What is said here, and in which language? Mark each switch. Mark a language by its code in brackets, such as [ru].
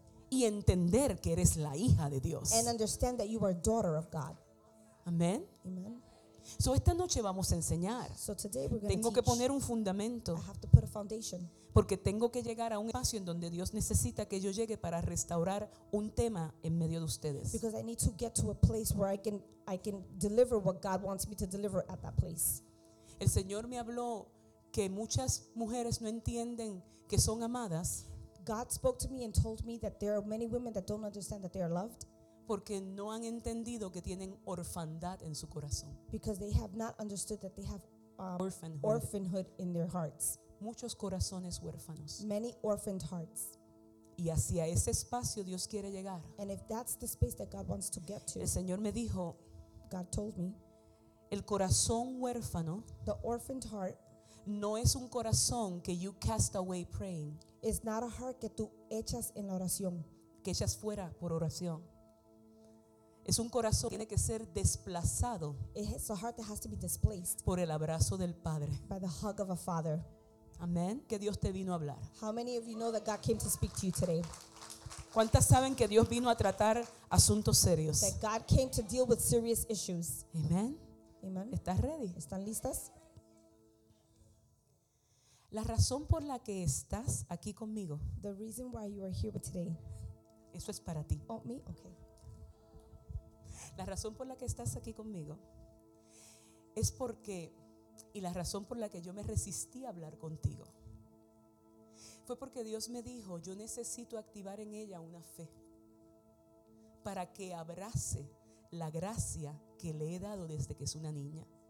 [es] Y entender que eres la hija de Dios. [en] And understand that you are daughter of God. [es] Amén. [en] Amen. [es] So esta noche vamos a enseñar. [en] So today we're going [es] tengo [en] to [es] que [en] teach. [es] Poner un fundamento. [en] I have to put a foundation. [es] Porque tengo que llegar a un espacio en donde Dios necesita que yo llegue para restaurar un tema en medio de ustedes. [en] Because I need to get to a place where I can deliver what God wants me to deliver at that place. [es] El Señor me habló que muchas mujeres no entienden que son amadas. [en] God spoke to me and told me that there are many women that don't understand that they are loved. [es] Porque no han entendido que tienen orfandad en su corazón. [en] Because they have not understood that they have orphanhood in their hearts. [es] Muchos corazones huérfanos. [en] Many orphaned hearts. [es] Y hacia ese espacio Dios quiere llegar. [en] And if that's the space that God wants to get to. [es] El Señor me dijo. [en] God told me. [es] El corazón huérfano. [en] The orphaned heart. [es] No es un corazón que [en] you cast away praying. It's not a heart [es] que tú echas en la oración. Que echas fuera por oración. Es un corazón que tiene que ser desplazado. [en] It's a heart that has to be displaced. [es] Por el abrazo del Padre. [en] By the hug of a father. [es] Amén. Que Dios te vino a hablar. [en] How many of you know that God came to speak to you today? [es] ¿Cuántas saben que Dios vino a tratar asuntos serios? [en] That God came to deal with serious issues. [es] Amén. [en] Amen. [es] ¿Estás ready? ¿Están listas? La razón por la que estás aquí conmigo. [en] The reason why you are here today. [es] Eso es para ti. [en] Oh, me? Okay. [es] La razón por la que estás aquí conmigo es porque, y la razón por la que yo me resistí a hablar contigo, fue porque Dios me dijo, yo necesito activar en ella una fe para que abrace la gracia que le he dado desde que es una niña.